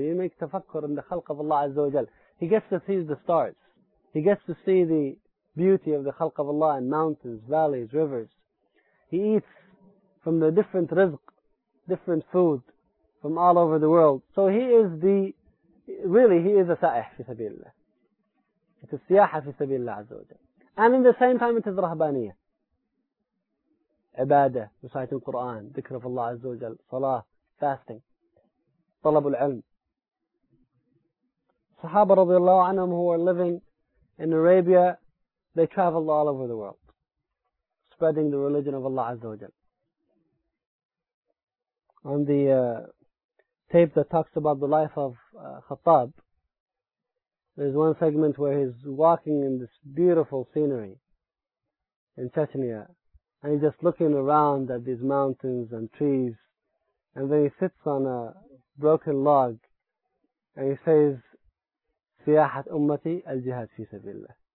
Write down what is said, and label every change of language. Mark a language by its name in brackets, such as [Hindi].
[English] He makes tafakkur in the khalq of Allah Azza wa Jal. He gets to see the stars. He gets to see the beauty of the khalq of Allah in mountains, valleys, rivers. He eats from the different rizq, different food from all over the world. So he is the, really he is a [Arabic] سائح في سبيل الله. [English] It is [Arabic] سياحة في سبيل الله عز وجل. [English] And in the same time it is رهبانية. [Arabic] عبادة, [English] reciting Quran, [Arabic] ذكر في الله عز وجل, صلاة, [English] fasting, [Arabic] طلب العلم. [English] صحابة رضي الله عنهم who are living in Arabia, they traveled all over the world, spreading the religion of Allah عز وجل. On the tape that talks about the life of Khattab, there's one segment where he's walking in this beautiful scenery in Chechnya, and he's just looking around at these mountains and trees, and then he sits on a broken log, and he says, [Arabic] سياحة أمتي الجهاد في سبيل الله.